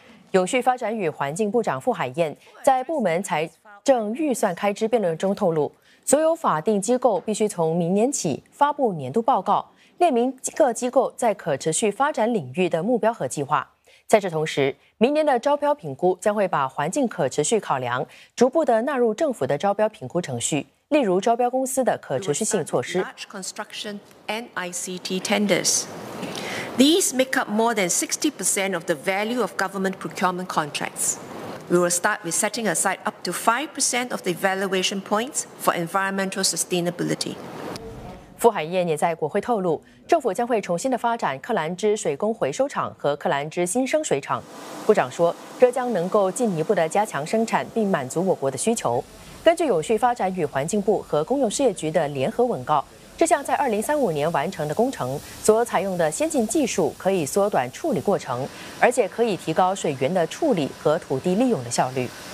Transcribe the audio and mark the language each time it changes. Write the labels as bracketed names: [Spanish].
[Chinese] 永续发展与环境部长傅海燕在部门财政预算开支辩论中透露，所有法定机构必须从明年起发布年度报告，列明各机构在可持续发展领域的目标和计划。在这同时，明年的招标评估将会把环境可持续考量逐步的纳入政府的招标评估程序，例如招标公司的可持续性措施。 [English] Large construction and ICT tenders. These make up more than 60% of the value of government procurement contracts. We will start with setting aside up to 5% of the evaluation points for environmental sustainability. [Chinese] 傅海燕也在国会透露，政府将会重新的发展克兰芝水工回收厂和克兰芝新生水厂。部长说，这将能够进一步的加强生产并满足我国的需求。根据永续发展与环境部和公用事业局的联合文告，这项在2035年完成的工程所采用的先进技术可以缩短处理过程，而且可以提高水源的处理和土地利用的效率。